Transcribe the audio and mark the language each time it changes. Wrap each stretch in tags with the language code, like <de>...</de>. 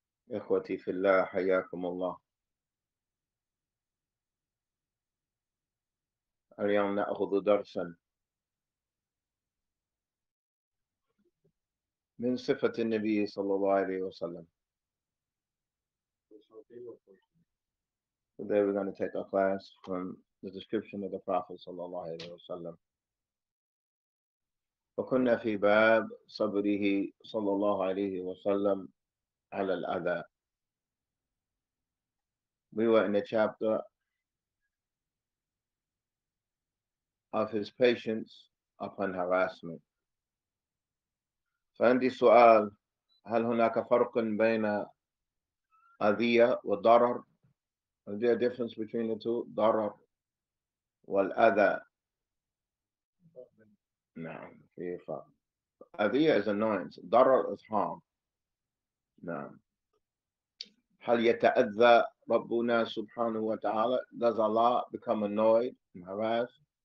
<ar>إخوتي في الله، حياكم الله. اليوم نأخذ درسا من صفة النبي صلى الله عليه وسلم.</ar> <en>Today we're going to take a class from the description of the Prophet صلى الله عليه وسلم.</en> <ar>وكنا في باب صبره صلى الله عليه وسلم على الأذى.</ar> <en>We were in a chapter of his patience upon harassment.</en> <ar>فعندي سؤال، هل هناك فرق بين أذية وضرر؟</ar> <en>Is there a difference between the two,</en> <ar>ضرر والأذى؟ نعم، في فرق.</ar> <en>أذية is annoyance، ضرر is harm.</en> <ar>نعم. هل يتأذى ربنا سبحانه وتعالى؟</ar> <en>Does Allah become annoyed and harassed?</en>